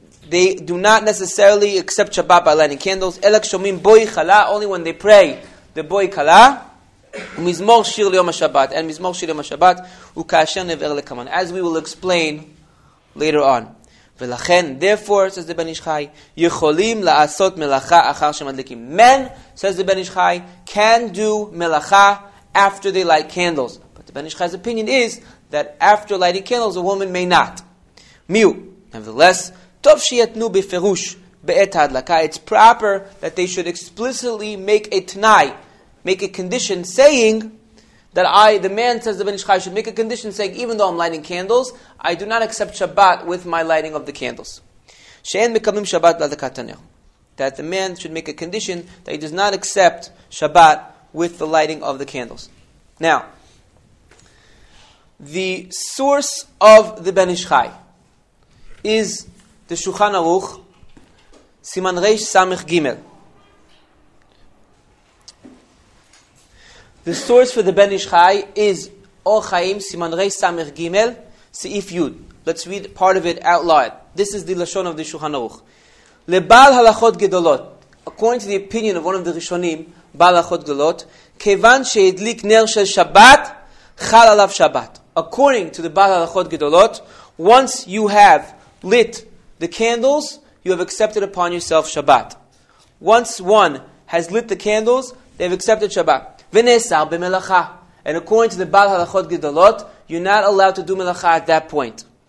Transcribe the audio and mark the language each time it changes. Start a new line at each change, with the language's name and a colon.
English: they do not necessarily accept Shabbat by lighting candles,
Hebrew: אלא כשומעים בוי חלה,
English: only when they pray, the בוי חלה,
Hebrew: ומזמור שיר ליום השבת,
English: and
Hebrew: מזמור שיר ליום השבת, וכאשר נבר לכמן,
English: as we will explain later on.
Hebrew: ולכן,
English: therefore, says the Ben Ish Chai,
Hebrew: יכולים לעשות מלאכה אחר שמדליקים.
English: Men, says the Ben Ish Chai, can do מלאכה after they light candles. But the Ben Ish Chai's opinion is that after lighting candles, a woman may not.
Hebrew: מיהו?
English: Nevertheless,
Hebrew: טוב שיתנו בפירוש בעת ההדלקה.
English: It's proper that they should explicitly make a תנאי, make a condition saying that the man, says the Ben Ish Chai, should make a condition saying, even though I'm lighting candles, I do not accept Shabbat with my lighting of the candles.
Hebrew: שאין מקבלים שבת להדלקת הנר.
English: That the man should make a condition that he does not accept Shabbat with the lighting of the candles. Now, the source of the Ben Ish Chai is the Shulchan Aruch, Siman Reish Samech Gimel. The source for the Ben Ish Chai is Or Chaim Siman Reish Samech Gimel Seif Yud. Let's read part of it out loud. This is the Lashon of the Shulchan Aruch. Lebal Halachot Gedolot. According to the opinion of one of the Rishonim,
Hebrew: בהלכות גדולות, כיוון שהדליק נר של שבת, חל עליו שבת.
English: According to the בהלכות גדולות, once you have lit the candles, you have accepted upon yourself Shabbat. Once one has lit the candles, they have accepted Shabbat.
Hebrew: V'nesar b'melacha.
English: And according to the Baal Halachot Gedolot, you're not allowed to do melacha at that point.